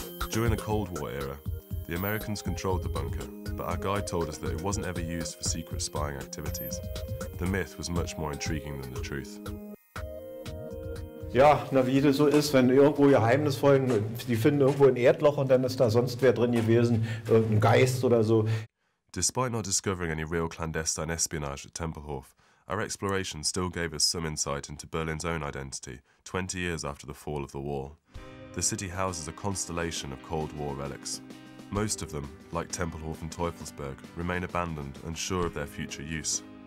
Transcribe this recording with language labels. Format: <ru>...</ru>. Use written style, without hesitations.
<en>During the Cold War era, the Americans controlled the bunker, but our guide told us that it wasn't ever used for secret spying activities. The myth was much more intriguing than the truth.</en> <de>Ja, na wie das so ist, wenn irgendwo geheimnisvoll, die finden irgendwo ein Erdloch und dann ist da sonst wer drin gewesen, irgendein Geist oder so.</de> <en>Despite not discovering any real clandestine espionage at Tempelhof, our exploration still gave us some insight into Berlin's own identity 20 years after the fall of the wall. The city houses a constellation of Cold War relics. Most of them, like Tempelhof and Teufelsberg, remain abandoned and sure of their future use.</en>